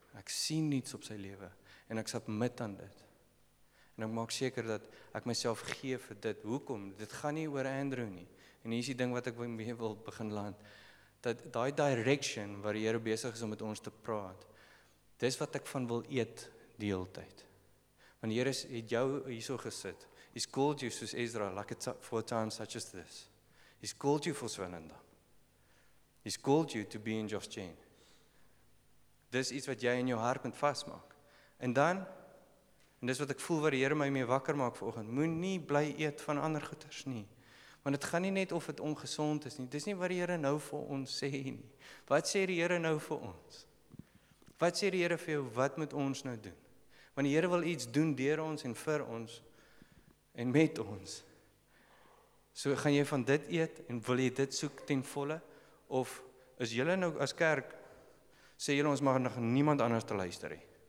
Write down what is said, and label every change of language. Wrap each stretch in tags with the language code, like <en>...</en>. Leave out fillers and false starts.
<af>Ek sien iets op sy lewe en ek submit aan dit. En ek maak seker dat ek myself gee vir dit. Hoekom? Dit gaan nie oor Andrew nie. En hier is die ding wat ek mee wil begin land. Dat die direction waar die Here besig is om met ons te praat, dis wat ek van wil eet die hele tyd. Want die Here het jou hierso gesit.</af> <en>He's called you, soos Ezra, like a for a time such as this. He's called you for Swellendam. He's called you to be in Josh Jane.</en> <af>Dis iets wat jy in jou hart moet vasmaak. En dan, en dis wat ek voel waar die Here my mee wakker maak vanoggend, moet nie bly eet van ander goeders nie. Want het gaan nie net of het ongezond is nie. Dis nie wat die Here nou vir ons sê nie. Wat sê die Here nou vir ons? Wat sê die Here vir jou? Wat moet ons nou doen? Want die Here wil iets doen deur ons en vir ons en met ons. So gaan jy van dit eet en wil jy dit soek ten volle? Of is jy nou as kerk, sê jy ons mag nog niemand anders te luister hê?</af>